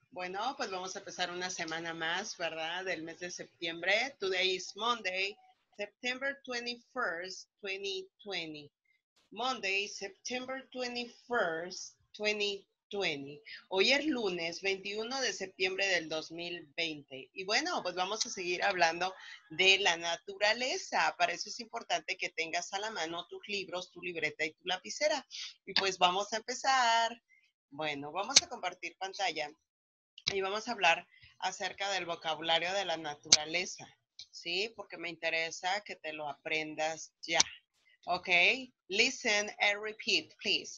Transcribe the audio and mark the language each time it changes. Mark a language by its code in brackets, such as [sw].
[es] Bueno, pues vamos a empezar una semana más, ¿verdad? Del mes de septiembre. [en] Today is Monday, September 21st, 2020. Monday, September 21st, 2020. [es] Hoy es lunes, 21 de septiembre del 2020. Y bueno, pues vamos a seguir hablando de la naturaleza. Para eso es importante que tengas a la mano tus libros, tu libreta y tu lapicera. Y pues vamos a empezar. Bueno, vamos a compartir pantalla y vamos a hablar acerca del vocabulario de la naturaleza, ¿sí? Porque me interesa que te lo aprendas ya, ¿ok? [en] Listen and repeat, please.